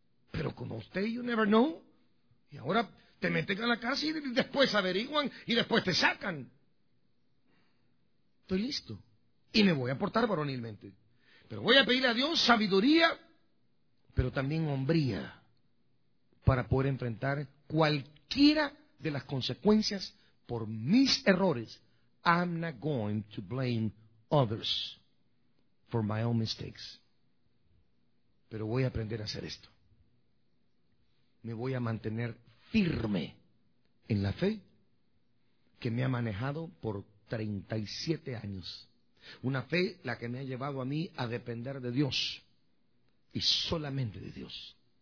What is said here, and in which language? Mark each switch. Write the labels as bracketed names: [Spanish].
[Spanish] Pero como usted, [English] you never know. [Spanish] Y ahora te meten a la casa y después averiguan y después te sacan. Estoy listo. Y me voy a portar varonilmente. Pero voy a pedir a Dios sabiduría, pero también hombría, para poder enfrentar cualquiera de las consecuencias por mis errores. [English] I'm not going to blame others for my own mistakes. [Spanish] Pero voy a aprender a hacer esto. Me voy a mantener firme en la fe que me ha manejado por 37 años. Una fe la que me ha llevado a mí a depender de Dios y solamente de Dios.